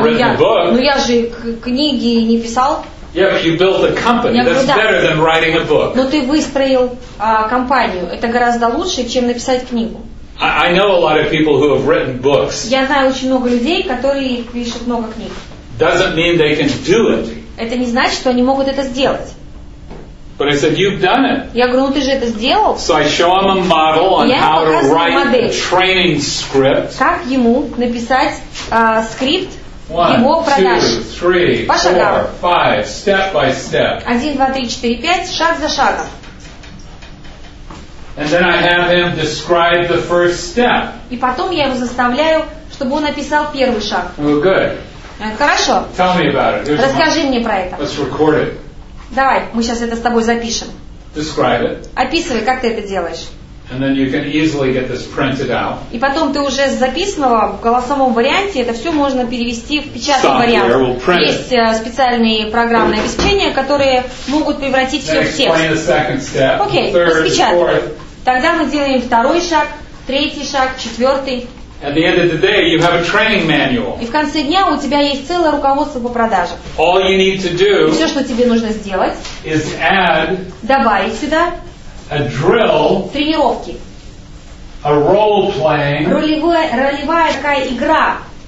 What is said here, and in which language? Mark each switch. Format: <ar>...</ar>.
<en>haven't written the book.</en> <ru>Ну я же книги не писал.</ru> <en>Yeah, but you built a company.</en> <ru>Я говорю,</ru> <en>that's better than writing a book.</en> <ru>Ну ты выстроил компанию. Это гораздо лучше, чем написать книгу.</ru> <en>I know a lot of people who have written books.</en> <ru>Я знаю очень много людей, которые пишут много книг.</ru> <en>Doesn't mean they can do it.</en> <ru>Это не значит, что они могут это сделать.</ru> <en>But I said, you've done it.</en> <ru>Я говорю, ну ты же это сделал.</ru> <en>So I show him a model on how to write a training script.</en> <ru>Как ему написать скрипт его продаж.</ru> <en>One, two, three, four, five, step by step.</en> <ru>1, 2, 3, 4, 5, шаг за шагом.</ru> <en>And then I have him describe the first step.</en> <ru>И потом я его заставляю, чтобы он написал первый шаг.</ru> <en>Well, good.</en> <ru>Хорошо.</ru> <en>Tell me about it. Here's</en> <ru>Расскажи мне про это.</ru> <en>Let's record it.</en> <ru>Давай, мы сейчас это с тобой запишем.</ru> <en>Describe it.</en> <ru>Описывай, как ты это делаешь.</ru> <en>And then you can easily get this printed out.</en> <ru>И потом ты уже с записанного в голосовом варианте это все можно перевести в печатный вариант.</ru> <en>We'll print</en> <ru>Есть специальные программные обеспечения, которые могут превратить все в текст.</ru> <en>Explain the second step.</en> <ru>Окей, распечатаем. Тогда мы делаем второй шаг, третий шаг, четвертый.</ru> <en>At the end of the day, you have a training manual.</en> <ru>И в конце дня у тебя есть целое руководство по продажам.</ru> <en>All you need to do.</en> <ru>И все, что тебе нужно сделать.</ru> <en>Is add.</en> <ru>Добавить сюда.</ru> <en>A drill.</en> <ru>Тренировки.</ru> <en>a role playing.</en> <ru>Ролевая такая игра.</ru>